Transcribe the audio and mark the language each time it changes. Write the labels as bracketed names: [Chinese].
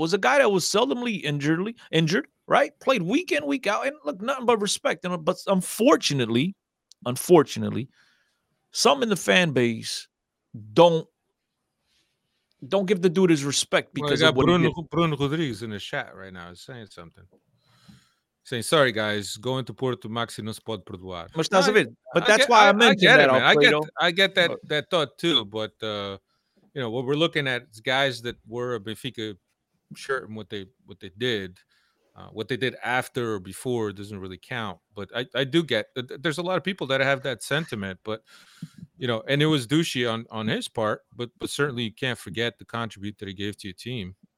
[English] Was a guy that was seldomly injured, right? Played week in, week out. And look, nothing but respect. But unfortunately, some in the fan base don't give the dude his respect because of what Bruno, he did. Bruno Rodriguez in the chat right now is saying something. Saying, sorry, guys, going to Porto, [Portuguese] Maxi não se pode perdoar. Mas estás a ver? [English] But that's why I mentioned that, Alfredo. I get that thought, too. But, you know, what we're looking at is guys that were a Benfica shirt and what they did. What they did after or before doesn't really count. But I do get – there's a lot of people that have that sentiment. But, you know, and it was douchey on his part. But certainly you can't forget the contribute that he gave to your team.